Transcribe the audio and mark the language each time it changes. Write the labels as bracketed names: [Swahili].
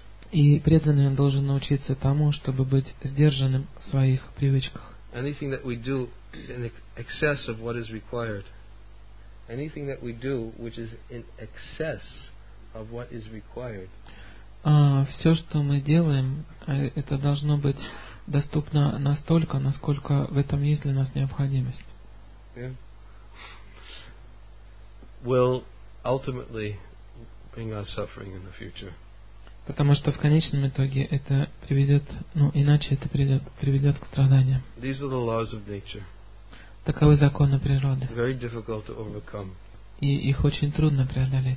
[Russian] И преданный должен научиться тому, чтобы быть сдержанным в своих привычках. [English] Anything that we do in excess of what is required. Anything that we do which is in excess of what is required. [Russian] Все, что мы делаем, это должно быть доступно настолько, насколько в этом есть для нас необходимость. [English] Yeah. Will ultimately bring us suffering in the future. [Russian] Потому что в конечном итоге это приведет, ну иначе это приведет к страданиям. [English] These are the laws of nature. [Russian] Таковы законы природы. [English] Very difficult to overcome. [Russian] И их очень трудно преодолеть.